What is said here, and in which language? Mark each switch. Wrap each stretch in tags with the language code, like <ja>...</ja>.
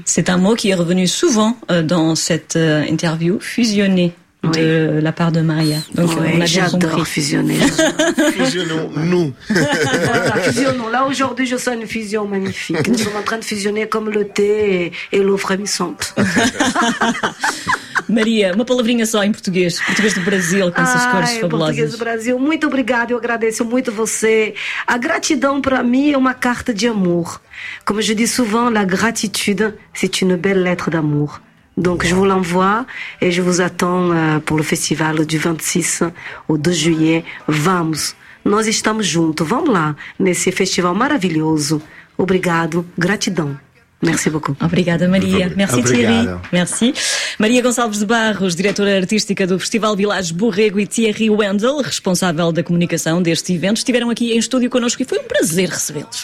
<fr>C'est un mot qui est revenu souvent dans cette interview, fusionner, de la part de Maria. Donc, on a j'adore fusionner. Fusionnons-nous. Fusionnons. Là, aujourd'hui, je sens une fusion magnifique. Nous sommes en train de fusionner comme le thé et l'eau frémissante.</fr> <pt>Maria, uma palavrinha só em português. Português do Brasil, com essas cores fabulosas. Português do Brasil, muito obrigada, eu agradeço muito você. A gratidão para mim é uma carta de amor. Como</pt> <fr>je dis souvent, la gratitude, c'est une belle lettre d'amour. Donc, je vous l'envoie et je vous attends pour le festival du 26 au 2 juillet.</fr> <pt>Vamos, nós estamos juntos. Vamos lá, nesse festival maravilhoso. Obrigado, gratidão.</pt> <fr>Merci beaucoup.</fr> <pt>Obrigada, Maria.</pt> <fr>Merci,</fr> <pt>obrigado. Thierry. Merci. Maria Gonçalves de Barros, diretora artística do Festival Village Borrego, e Thierry Wendel, responsável da comunicação deste evento, estiveram aqui em estúdio connosco e foi um prazer recebê-los.</pt>